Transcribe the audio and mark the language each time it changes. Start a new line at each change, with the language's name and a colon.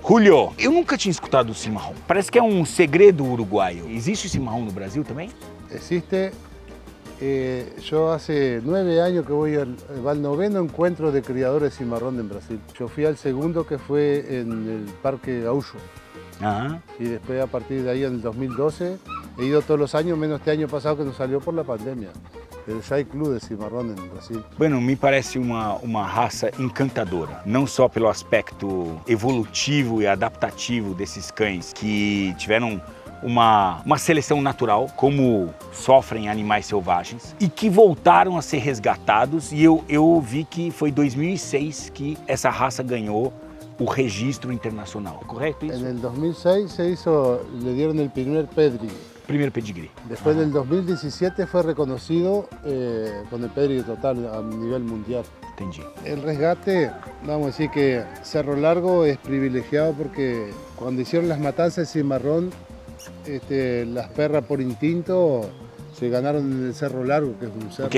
Portuguese: Julio, eu nunca tinha escutado o Cimarrón. Parece que é um segredo uruguaio. Existe o Cimarrón no Brasil também? Existe. Eu, há 9 anos que vou ao 9º encontro de criadores de Cimarrón no Brasil. Eu fui ao segundo, que foi no Parque Gaúcho. Aham. E depois, a partir daí, em 2012,
Spanish: he ido todos los años, menos este año pasado que nos salió por la pandemia. El Shy Club de Cimarrón en Brasil. Bueno, me parece una raza encantadora. No solo
Portuguese: pelo aspecto evolutivo
Spanish: y adaptativo de esos
Portuguese: cães que tiveram uma seleção natural, como sofrem animais selvagens, e que voltaram a ser resgatados. E eu vi que foi 2006 que essa raça ganhou o registro internacional. Correto isso?
Spanish: En el 2006 se hizo, le dieron el primer pedigree.
Portuguese: Primeiro pedigree. Depois, em 2017, foi reconhecido com o pedigree total a nível mundial. Entendi. O resgate, vamos dizer que Cerro Largo é privilegiado porque quando fizeram as matanças de Cimarrón, as perras por instinto se ganharam no Cerro Largo, que é um cerro.